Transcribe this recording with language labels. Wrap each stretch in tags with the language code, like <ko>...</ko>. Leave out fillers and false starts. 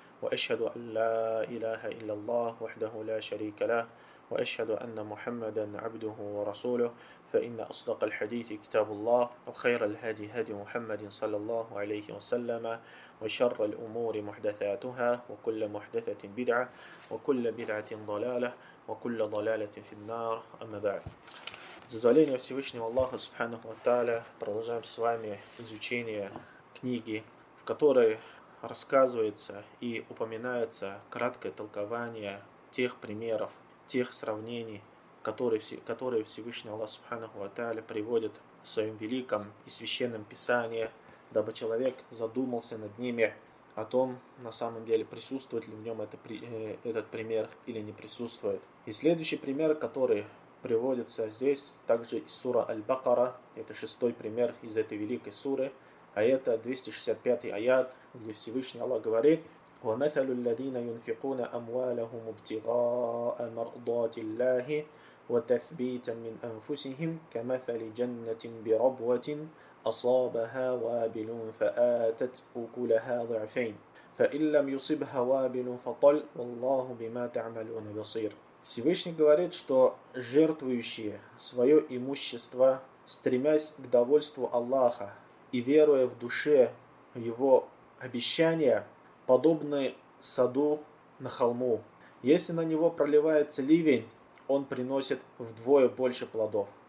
<ar>وأشهد أن لا إله إلا الله وحده لا شريك له وأشهد أن محمدا عبده ورسوله فإن أصدق الحديث كتاب الله وخير الهدي هدي محمد صلى الله عليه وسلم وشر الأمور محدثاتها وكل محدثة بدعة وكل بدعة ضلالة وكل ضلالة في النار أما بعد.</ar> <ru>Зазволение Всевышнего Аллаха Субханаху ва Тааля, продолжаем с вами изучение книги, в которой рассказывается и упоминается краткое толкование тех примеров, тех сравнений, которые Всевышний Аллах Субханаху ва Тааля приводит в своем великом и священном писании, дабы человек задумался над ними о том, на самом деле, присутствует ли в нем этот пример или не присутствует. И следующий пример, который приводится здесь, также из сура Аль-Бакара, это шестой пример из этой великой суры, а это 265-й аят, где Всевышний Аллах говорит:</ru> <ar>وَمَثَلُ الَّذِينَ يُنْفِقُونَ أَمْوَالَهُمْ ابْتِغَاءَ مَرْضَاتِ اللَّهِ وَتَثْبِيتًا مِنْ أَنْفُسِهِمْ كَمَثَلِ جَنَّةٍ بِرَبْوَةٍ أَصَابَهَا وَابِلٌ فَآتَتْ أُكُلَهَا ضِعْفَيْنِ فَإِنْ لَمْ يُصِبْهَا وَابِلٌ فَطَلٌّ وَاللَّهُ بِمَا تَعْمَلُونَ بَصِيرٌ.</ar> <ru>Всевышний говорит, что жертвующие свое имущество, стремясь к довольству Аллаха и веруя в душе его обещания, подобны саду на холму. Если на него проливается ливень, он приносит вдвое больше плодов.</ru>